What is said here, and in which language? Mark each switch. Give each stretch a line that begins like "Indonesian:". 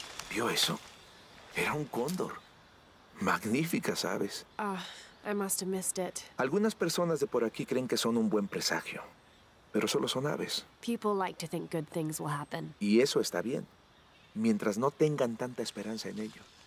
Spanish: vio eso? Era un cóndor. Magníficas aves.
English: Ah, I must have missed it.
Spanish: Algunas personas de por aquí creen que son un buen presagio, pero solo son aves.
English: People like to think good things will happen.
Spanish: Y eso está bien, mientras no tengan tanta esperanza en ello.